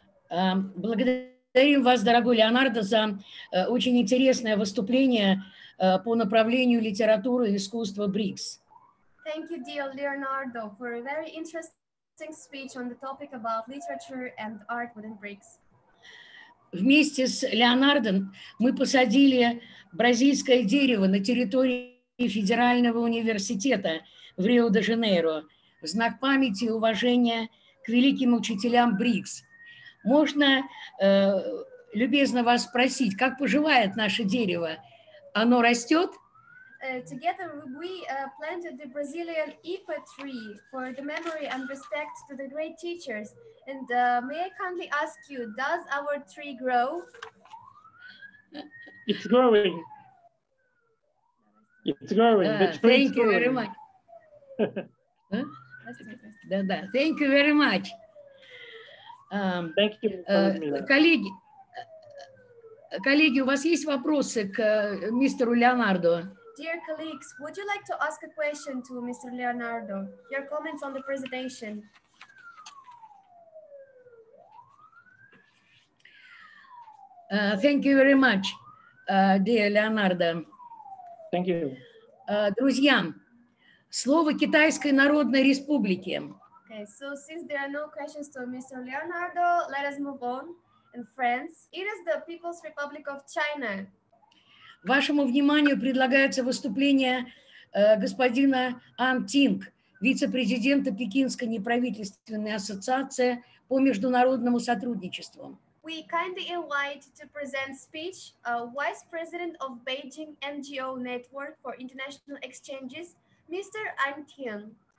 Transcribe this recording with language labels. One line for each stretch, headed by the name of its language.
Russian: Благодарим вас, дорогой Леонардо, за очень интересное выступление по направлению литературы и искусства BRICS.
English: Thank you, dear Leonardo, for a very interesting speech on the topic about literature and art within BRICS.
Russian: Вместе с Леонардо мы посадили бразильское дерево на территории Федерального университета в Рио-де-Жанейро в знак памяти и уважения к великим учителям BRICS. Можно любезно вас спросить, как поживает наше дерево? Оно растет?
English: Together we planted the Brazilian IPA tree for the memory and respect to the great teachers. And may I kindly ask you, does our tree grow? It's growing. It's growing. Thank you very much.
Russian: Да-да.
English: Thank you very much. Thank you.
Russian: Коллеги, у вас есть вопросы к мистеру Леонардо?
English: Dear colleagues, would you like to ask a question to Mr. Leonardo? Your comments on the presentation. Thank you very much, dear Leonardo. Thank you.
Russian: Друзья, слово Китайской Народной Республики.
English: Okay, so since there are no questions to Mr. Leonardo, let us move on. And friends, it is the People's Republic of China.
Russian: Вашему вниманию предлагается выступление господина Ан Тинг, вице-президента Пекинской неправительственной ассоциации по международному сотрудничеству.
English: We kindly invite to present speech Vice President of Beijing NGO Network for International Exchanges, Mr. Ан Тинг.